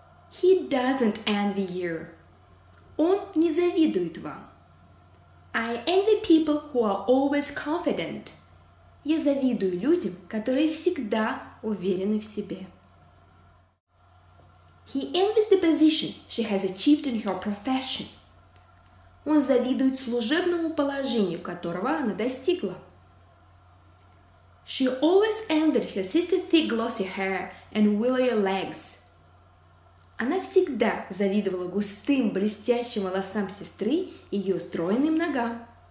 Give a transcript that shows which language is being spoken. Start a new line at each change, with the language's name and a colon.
English: He doesn't envy you.
Russian: Он не завидует вам.
English: I envy people who are always confident.
Russian: Я завидую людям, которые всегда уверены в себе.
English: He envies the position she has achieved in her profession.
Russian: Он завидует служебному положению, которого она достигла.
English: She always envied her sister's thick glossy hair and willowy legs.
Russian: Она всегда завидовала густым, блестящим волосам сестры и ее стройным ногам.